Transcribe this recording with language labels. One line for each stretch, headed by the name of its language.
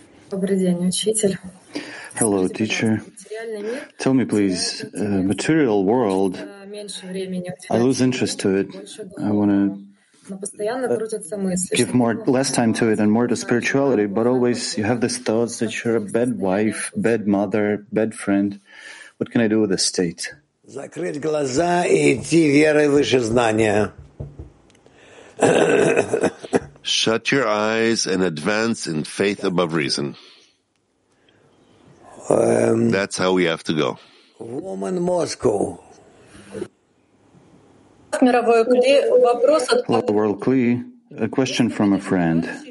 English: Hello, teacher. Tell me, please, material world, I lose interest to it. I want to give more, less time to it and more to spirituality, but always you have these thoughts that you're a bad wife, bad mother, bad friend. What can I do with this state?
Russian: Закрыть глаза и идти верой выше знания.
English: Shut your eyes and advance in faith above reason. That's how we have to go. Woman Moscow. Hello, world Klee. A question from a friend.